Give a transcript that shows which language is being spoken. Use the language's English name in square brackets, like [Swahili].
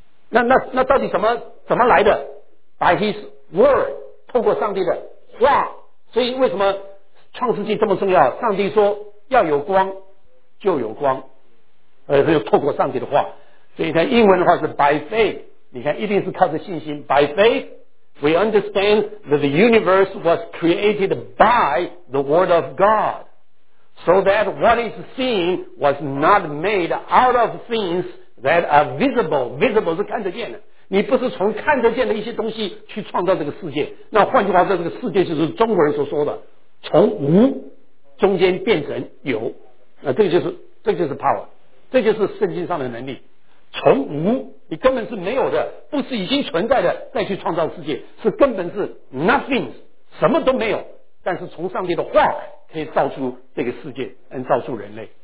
[Chinese] 那到底怎么来的？ [English] By his word， [Chinese] 透过上帝的话。所以为什么创世纪这么重要？上帝说要有光就有光，就透过上帝的话。所以你看英文的话是 [English] by faith， [Chinese] 你看一定是靠着信心。 [English] by faith we understand that the universe was created by the word of God so that what is seen was not made out of things that are visible。 [Chinese] visible 是看得见的，你不是从看得见的一些东西去创造这个世界。那换句话说，这个世界就是中国人所说的从无中间变成有，那这就是 power， 这就是圣经上的能力。从无，你根本是没有的，不是已经存在的再去创造世界，是根本是 nothing， 什么都没有，但是从上帝的话可以造出这个世界，能造出人类。